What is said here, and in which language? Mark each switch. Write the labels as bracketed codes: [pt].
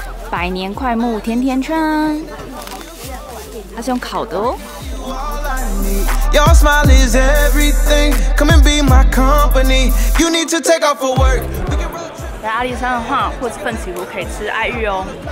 [zh] 百年快木甜甜圈，它是用烤的哦。 [en] Your smile is everything. Come and be my company. You need to take off for work. [zh] 在阿里山的话，或是奋起湖可以吃爱玉哦。